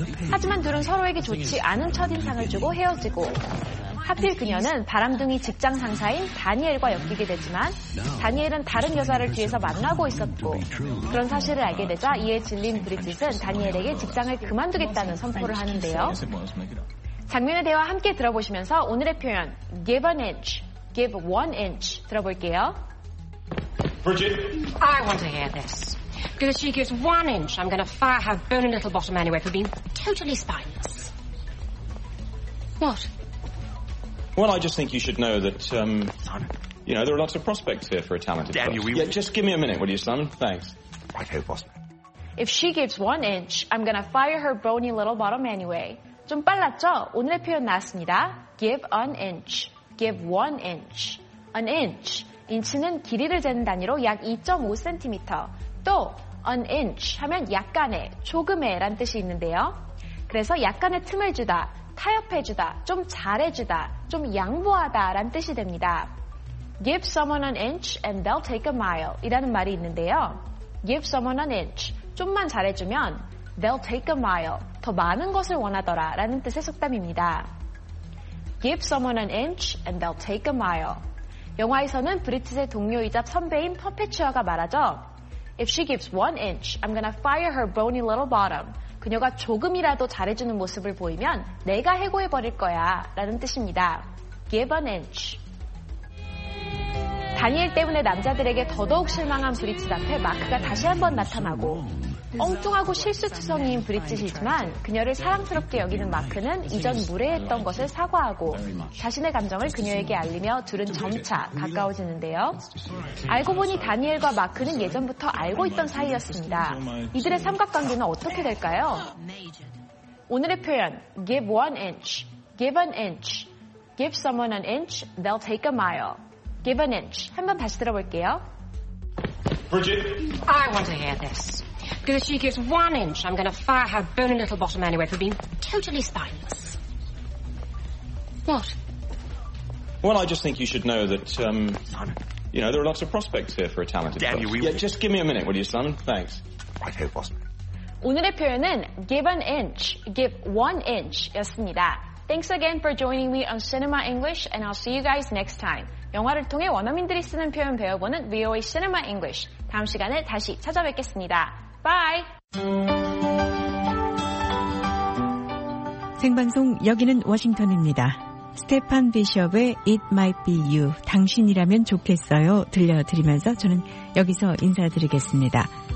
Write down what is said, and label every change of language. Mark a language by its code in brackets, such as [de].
[ko] 하지만 둘은 서로에게 좋지 않은 첫인상을 주고 헤어지고 하필 그녀는 바람둥이 직장 상사인 다니엘과 엮이게 되지만 다니엘은 다른 여자를 뒤에서 만나고 있었고 그런 사실을 알게 되자 이에 질린 브리짓은 다니엘에게 직장을 그만두겠다는 선포를 하는데요. 장면의 대화 함께 들어보시면서 오늘의 표현 [en] give an inch, give one inch [ko] 들어볼게요. [en] Bridget, I want to hear this. Because if she gives one inch, I'm going to fire her bony little bottom anyway for being totally spineless. What? Well, I just think you should know that, Simon. You know, there are lots of prospects here for a talented Damn you, we... Yeah, just give me a minute, will you, Simon? Thanks. Righto, boss. If she gives one inch, I'm going to fire her bony little bottom anyway. [ko] 좀 빨랐죠? 오늘의 표현 나왔습니다. [en] Give an inch. Give one inch. An inch. [ko] 인치는 길이를 재는 단위로 약 2.5cm. 또 an inch 하면 약간의, 조금의 라는 뜻이 있는데요. 그래서 약간의 틈을 주다, 타협해주다, 좀 잘해주다, 좀 양보하다 라는 뜻이 됩니다. [en] Give someone an inch and they'll take a mile [ko] 이라는 말이 있는데요. [en] Give someone an inch. [ko] 좀만 잘해주면 [en] They'll take a mile. [ko] 더 많은 것을 원하더라 라는 뜻의 속담입니다. [en] Give someone an inch and they'll take a mile. [ko] 영화에서는 브리짓의 동료이자 선배인 퍼페추아가 말하죠. [en] If she gives one inch, I'm gonna fire her bony little bottom. [ko] 그녀가 조금이라도 잘해주는 모습을 보이면 내가 해고해버릴 거야 라는 뜻입니다. [en] Give an inch. [ko] 다니엘 때문에 남자들에게 더더욱 실망한 브리짓 앞에 마크가 다시 한번 나타나고 엉뚱하고 실수투성이인 브리짓이지만 그녀를 사랑스럽게 여기는 마크는 이전 무례했던 것을 사과하고 자신의 감정을 그녀에게 알리며 둘은 점차 가까워지는데요. 알고 보니 다니엘과 마크는 예전부터 알고 있던 사이였습니다. 이들의 삼각관계는 어떻게 될까요? 오늘의 표현 [en] Give one inch, give an inch, give someone an inch, they'll take a mile. Give an inch. [ko] 한번 다시 들어볼게요. [en] Bridget, I want to hear this. Because if she gives one inch, I'm going to fire her bony little bottom anyway for being totally spineless. What? Well, I just think you should know that, Simon. You know, there are lots of prospects here for a talented Damn boss. You, we... Yeah, just give me a minute, will you, Simon? Thanks. Right here, boss. [ko] 오늘의 표현은 [en] give an inch, give one inch [ko] 였습니다. [en] Thanks again for joining me on Cinema English, and I'll see you guys next time. [ko] 영화를 통해 원어민들이 쓰는 표현 배워보는 VOA Cinema English. 다음 시간에 다시 찾아뵙겠습니다. [en] Bye! [ko] 생방송 여기는 워싱턴입니다. 스테판 비숍의 It Might Be You, 당신이라면 좋겠어요 들려드리면서 저는 여기서 인사드리겠습니다.